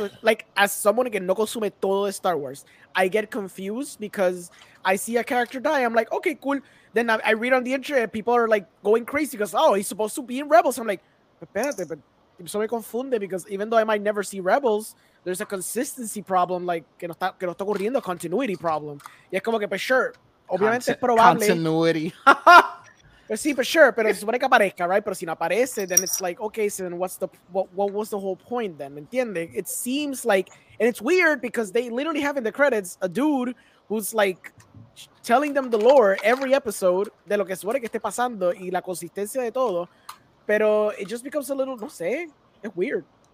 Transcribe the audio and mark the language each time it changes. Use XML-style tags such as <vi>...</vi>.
<en>Like, as someone</en> <es>que no consume todo de</es> <en>Star Wars, I get confused because I see a character die. I'm like, okay, cool. Then I read on the internet, people are like going crazy because, oh, he's supposed to be in Rebels. I'm like, but so</en> <es>me confunde</es> <en>because even though I might never see Rebels, there's a consistency problem, like</en> <es>que no está ocurriendo,</es> <en>a continuity problem.</en> <es>Y es como que, pues sure, obviamente es probable.</es> <en>Continuity.</en> <es>But sí,</es> <en>for sure,</en> <es>pero se supone que aparezca, right? Pero si no aparece,</es> <en>then it's like, okay, so then what was the whole point then?</en> <es>¿Entiende?</es> <en>It seems like, and it's weird because they literally have in the credits a dude who's like telling them the lore every episode</en> <es>de lo que suele que esté pasando y la consistencia de todo, pero</es> <en>it just becomes a little,</en> <es>no sé,</es> <en>it's weird.</en>